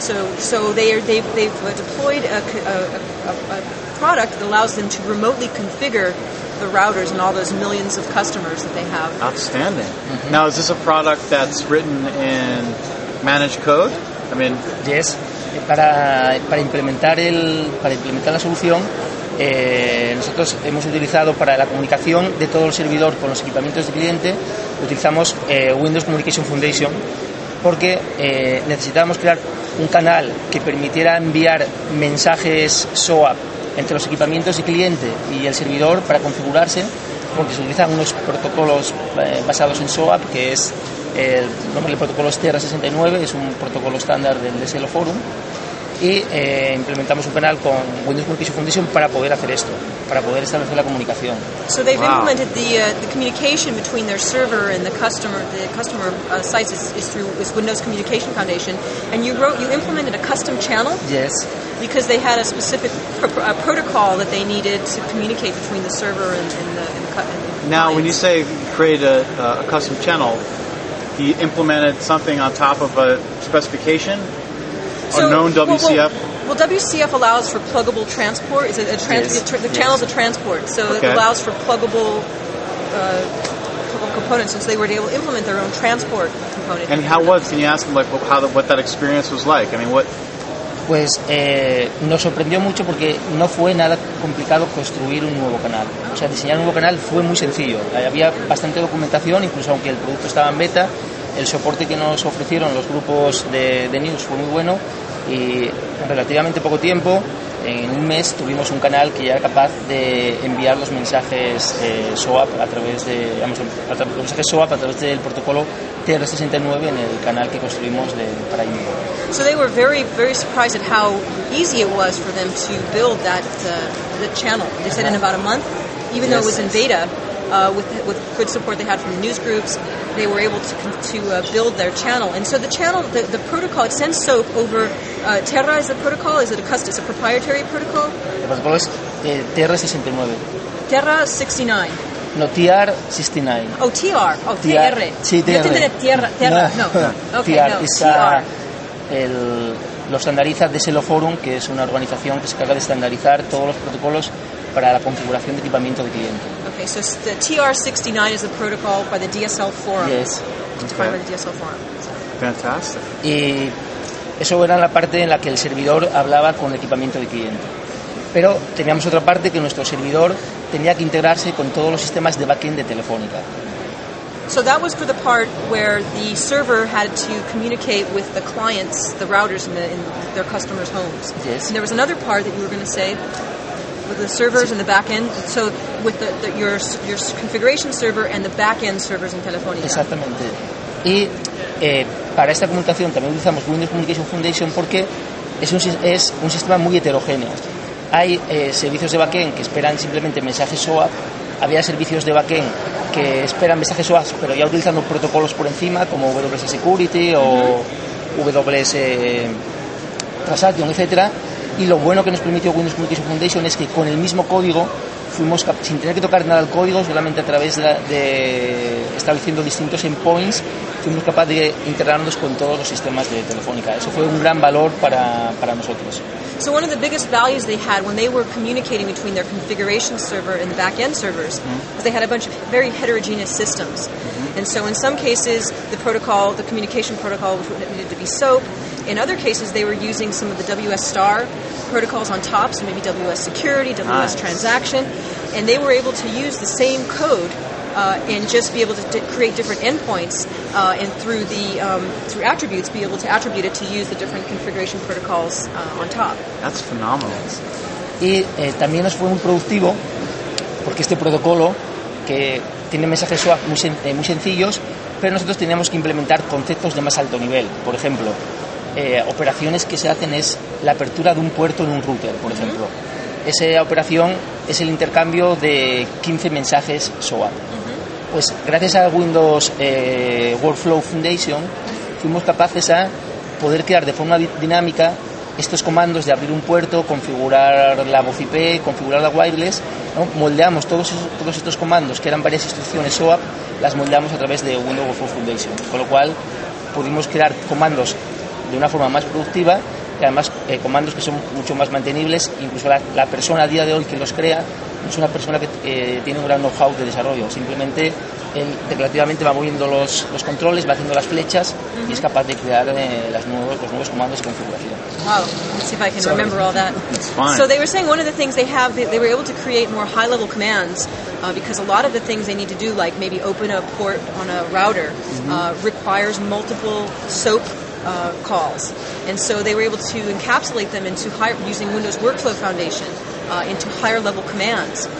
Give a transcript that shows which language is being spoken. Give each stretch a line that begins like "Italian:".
English: So they've deployed a product that allows them to remotely configure the routers and all those millions of customers that they have. Outstanding. Mm-hmm. Now, is this a product that's written in managed code? I mean, yes.
Spanish: Para implementar la solución, nosotros hemos utilizado para la comunicación de todo el servidor con los equipamientos de cliente, utilizamos Windows Communication Foundation, porque necesitábamos crear un canal que permitiera enviar mensajes SOAP entre los equipamientos y cliente y el servidor para configurarse, porque se utilizan unos protocolos basados en SOAP, que es el protocolo TR69, es un protocolo estándar del DSL Forum, y implementamos un canal con Windows Communication Foundation para poder hacer esto, para poder establecer la comunicación.
English: So they've implemented the communication between their server and the customer sites is through Windows Communication Foundation, and you implemented a custom channel? Yes. Because they had a specific protocol that they needed to communicate between the server and the Now, clients. When you say create a custom channel, he implemented something on top of a specification? So, a known WCF? Well, WCF allows for pluggable transport. Is it a the channel is a transport, so okay. It allows for pluggable components, and so they were able to implement their own transport component. And how was, can you ask them, like, what that experience was like? I mean, what...
Spanish: Pues nos sorprendió mucho porque no fue nada complicado construir un nuevo canal. O sea, diseñar un nuevo canal fue muy sencillo. Había bastante documentación, incluso aunque el producto estaba en beta, el soporte que nos ofrecieron los grupos de news fue muy bueno y en relativamente poco tiempo, en un mes, tuvimos un canal que ya era capaz de enviar los mensajes SOAP a través del protocolo TR69 en el canal que construimos para email.
English: So they were very, very surprised at how easy it was for them to build that the channel. They said in about a month, even though it was in beta, with good support they had from the news groups, they were able to build their channel. And so the channel, the protocol, it sends SOAP over Terra is the protocol? Is it a custom? It's a proprietary protocol? The protocol is TR69. Terra 69. No, TR69. Oh, TR. Oh, TR.
Spanish: Sí, TR. Yo entendía Terra. No. Okay,
English: TR.
Spanish: No. Es TR. Lo estandariza DSL Forum, que es una organización que se encarga de estandarizar todos los protocolos para la configuración de equipamiento de cliente.
English: Okay, so the TR69 is the protocol by the DSL Forum. Yes. Defined by the DSL Forum. Fantastic.
Spanish: Y eso era la parte en la que el servidor hablaba con el equipamiento de cliente. Pero teníamos otra parte, que nuestro servidor tenía que integrarse con todos los sistemas de backend de Telefónica.
English: So that was for the part where the server had to communicate with the clients, the routers in their customers' homes. Yes. And there was another part that you were going to say with the servers and the backend. So with your configuration server and the backend servers in Telefónica.
Spanish: Exactamente. Y para esta comunicación también utilizamos Windows Communication Foundation porque es un sistema muy heterogéneo. Hay servicios de backend que esperan simplemente mensajes OAuth, había servicios de backend que esperan mensajes OAuth, pero ya utilizando protocolos por encima, como WS Security o WS Transaction, etcétera. Y lo bueno que nos permitió Windows Communication Foundation es que con el mismo código fuimos, sin tener que tocar nada al código, solamente a través de estableciendo distintos endpoints, fuimos capaces de integrarnos con todos los sistemas de Telefónica. Eso fue un gran valor para nosotros.
English: So one of the biggest values they had when they were communicating between their configuration server and the back-end servers was they had a bunch of very heterogeneous systems. And so in some cases, the protocol, the communication protocol, which needed to be SOAP. In other cases, they were using some of the WS Star protocols on top, so maybe WS Security, WS Transaction. And they were able to use the same code and just be able to create different endpoints and through the through attributes, be able to attribute it to use the different configuration protocols on top. That's phenomenal.
Spanish: Y también nos fue muy productivo porque este protocolo que tiene mensajes SOAP muy sencillos, pero nosotros teníamos que implementar conceptos de más alto nivel. Por ejemplo, operaciones que se hacen es la apertura de un puerto en un router, por ejemplo. Esa operación es el intercambio de 15 mensajes SOAP. Pues gracias a Windows Workflow Foundation fuimos capaces a poder crear de forma dinámica estos comandos de abrir un puerto, configurar la voz IP, configurar la wireless, ¿no? Moldeamos todos estos comandos, que eran varias instrucciones SOAP, las moldeamos a través de Windows Workflow Foundation. Con lo cual pudimos crear comandos de una forma más productiva y además comandos que son mucho más mantenibles. Incluso la persona a día de hoy que los crea es una persona que tiene un gran know-how de desarrollo. Simplemente él declarativamente va moviendo los controles, va haciendo las flechas y es capaz de crear los nuevos comandos y configuraciones.
English: Wow, let's see if I can remember all that. It's fine. So they were saying one of the things they have, they were able to create more high-level commands because a lot of the things they need to do, like maybe open a port on a router, requires multiple SOAP calls. And so they were able to encapsulate them into using Windows Workflow Foundation into higher level commands.